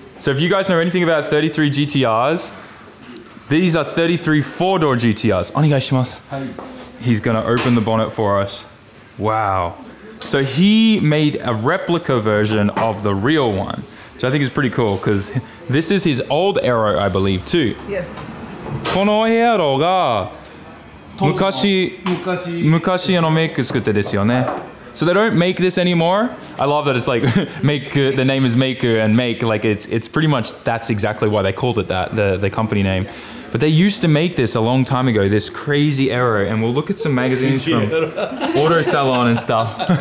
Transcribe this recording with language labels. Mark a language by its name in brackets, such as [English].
[English] So if you guys know anything about 33 GTRs, these are 33 four-door GTRs. [Japanese] お願いします. [English] He's gonna open the bonnet for us. Wow. So he made a replica version of the real one, which I think is pretty cool, because this is his old aero, I believe, too. Yes. [Japanese] この aero が... 昔のメイク作ってですよね。 [English] So they don't make this anymore. I love that it's like make the name is Meiku and make like it's pretty much that's exactly why they called it that, the company name. But they used to make this a long time ago, this crazy aero, and we'll look at some magazines from Auto Salon and stuff.